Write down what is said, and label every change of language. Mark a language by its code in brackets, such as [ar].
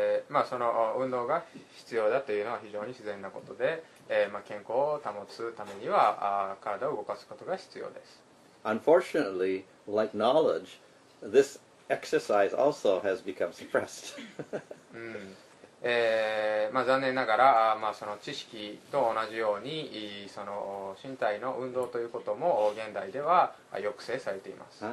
[ja] まあ、その運動が必要だというのは非常に自然なことで、まあ、健康を保つためには、体を動かすことが必要です。 [en] Unfortunately, like knowledge, this exercise also has become suppressed. [ja] 、まあ、残念ながら、まあ、その知識と同じようにその身体の運動ということも現代では抑制されています。